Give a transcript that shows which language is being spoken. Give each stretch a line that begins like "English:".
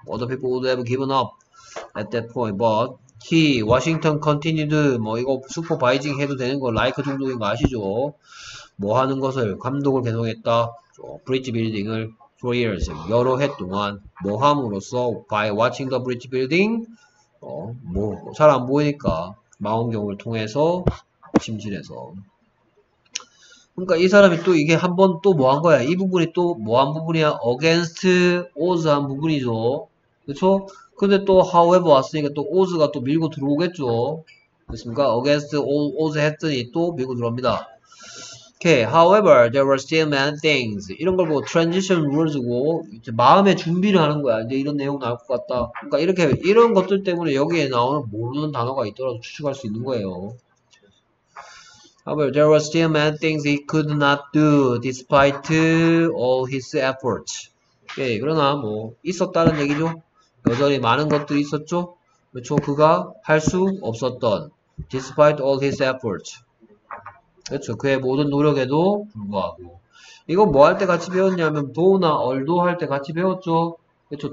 English: Other people would have given up at that point, but he, Washington continued.
Korean: 뭐 이거 supervising 해도 되는 거, like 정도인 거 아시죠? 뭐 하는 것을, 감독을 계속했다. Bridge building을 for years, 여러 해 동안 뭐 함으로써,
English: by watching the bridge building,
Korean: 뭐잘안 보이니까 망원경을 통해서 침실에서. 그러니까 이 사람이 또 이게 한번또뭐한 거야? 이 부분이 또뭐한 부분이야? Against odds 한 부분이죠. 그렇죠? 근데 또 however 왔으니까 또 odds가 또 밀고 들어오겠죠. 그렇습니까?
English: Against odds
Korean: 했더니 또 밀고 들어옵니다.
English: Okay, however, there were still many things.
Korean: 이런 걸 보고 transition words고 이제 마음의 준비를 하는 거야. 이제 이런 내용 나올 것 같다. 그러니까 이렇게 이런 것들 때문에 여기에 나오는 모르는 단어가 있더라도 추측할 수 있는 거예요.
English: However, there were still many things he could not do despite all his efforts.
Korean: 예, 그러나 뭐 있었다는 얘기죠. 여전히 많은 것들이 있었죠. 그렇죠. 그가 할수 없었던
English: despite all his efforts.
Korean: 그렇죠. 그의 모든 노력에도 불구하고. 이거 뭐할때 같이 배웠냐면 do나 although 할때 같이 배웠죠. 그렇죠.